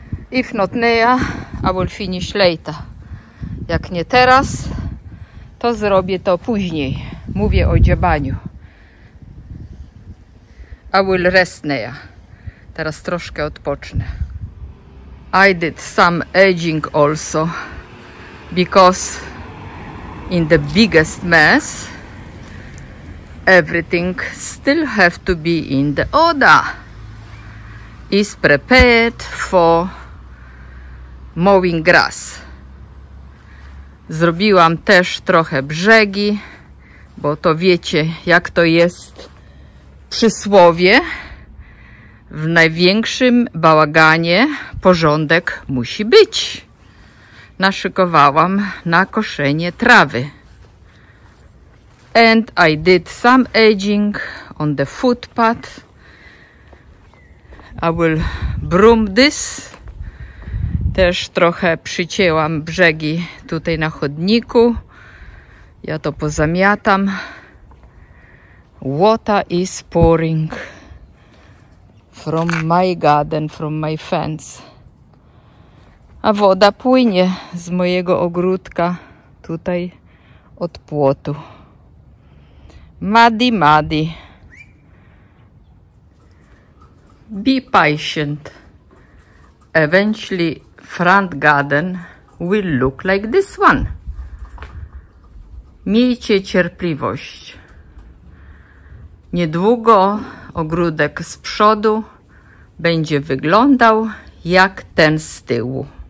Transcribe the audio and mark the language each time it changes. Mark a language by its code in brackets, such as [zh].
[en] If not now, I will finish later. [pl] Jak nie teraz, to zrobię to później. Mówię o dziobaniu. [en] I will rest now. [pl] Teraz troszkę odpocznę. [en] I did some edging also, because in the biggest mess, everything still have to be in the order, is prepared for mowing grass. [pl] Zrobiłam też trochę brzegi, bo to wiecie, jak to jest przysłowie. W największym bałaganie porządek musi być. Naszykowałam na koszenie trawy. [en] And I did some edging on the footpath. I will broom this. [pl] Też trochę przycięłam brzegi tutaj na chodniku. Ja to pozamiatam. [en] Water is pouring from my garden, from my fence. [pl] A woda płynie z mojego ogródka tutaj od płotu. [en] Muddy, muddy. Be patient. Eventually front garden will look like this one. [pl] Miejcie cierpliwość. Niedługo ogródek z przodu będzie wyglądał jak ten z tyłu.